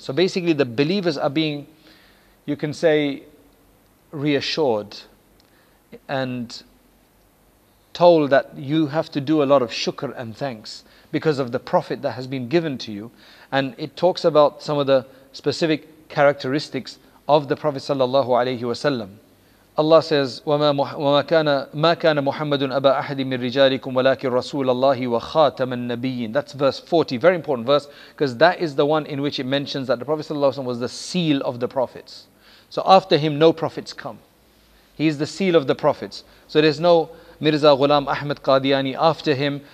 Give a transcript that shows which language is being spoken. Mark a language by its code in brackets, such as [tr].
[en] So basically, the believers are being, you can say, reassured and told that you have to do a lot of shukr and thanks because of the Prophet that has been given to you. And it talks about some of the specific characteristics of the Prophet sallallahu alaihi wasallam. Allah says, [ar] وَمَا كَانَ مُحَمَّدٌ أَبَا أَحَدٍ مِنْ رِجَالِكُمْ وَلَكِنْ رَسُولَ اللَّهِ وَخَاتَمَ النَّبِيِّينَ. [en] That's verse 40, very important verse, because that is the one in which it mentions that the Prophet ﷺ was the seal of the prophets. So after him, no prophets come. He is the seal of the prophets. So there's no Mirza Ghulam Ahmad Qadiani after him.